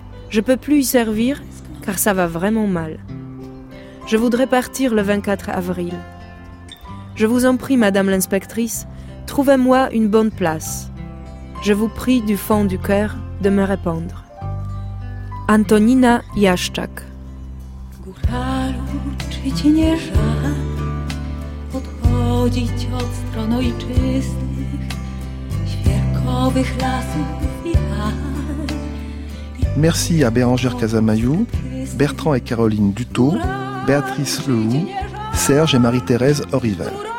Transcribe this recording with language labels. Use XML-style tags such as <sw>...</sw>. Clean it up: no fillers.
<fr>Je peux plus y servir, car ça va vraiment mal. Je voudrais partir le 24 avril. Je vous en prie, madame l'inspectrice, trouvez-moi une bonne place. Je vous prie du fond du cœur de me répondre. Antonina Jaszczak.</fr> <pl>Czyci nie żal odchodzić od stron ojczystych świerkowych lasów i</pl> <fr>Merci à Bérangère Casamayou, Bertrand et Caroline Dutot, Béatrice Lehoux, Serge et Marie-Thérèse Orivel.</fr>